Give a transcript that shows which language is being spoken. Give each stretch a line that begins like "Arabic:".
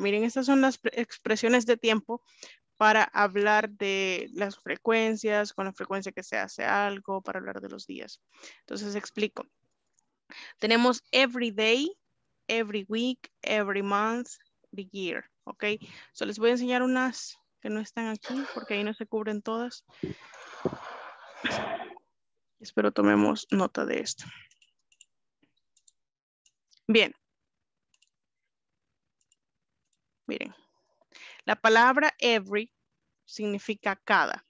Spanish: Miren, estas son las expresiones de tiempo para hablar de las frecuencias, con la frecuencia que se hace algo, para hablar de los días. Entonces explico. Tenemos
English: every day, every week, every month, the year.
Spanish: Ok, so les voy a enseñar unas que no están aquí porque ahí no se cubren todas. Espero tomemos nota de esto. Bien. Miren. La palabra every significa cada.